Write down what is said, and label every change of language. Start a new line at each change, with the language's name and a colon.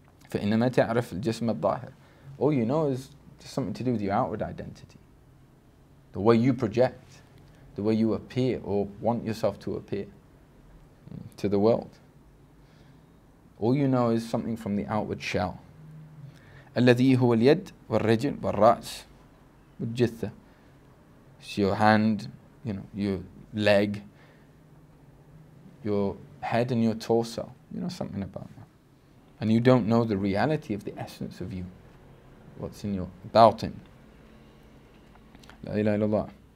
Arabic: فَإِنَّمَا تَعْرِفُ الْجِسْمَ الظَّاهِرِ.
English: All you know is just something to do with your outward identity. The way you project. The way you appear or want yourself to appear to the world. All you know is something from the outward shell.
Arabic: الذي هو اليد والرجل والرأس والجثة.
English: It's your hand, you know, your leg, your head and your torso. You know something about that. And you don't know the reality of the essence of you. What's in your baltin. La ilaha illallah.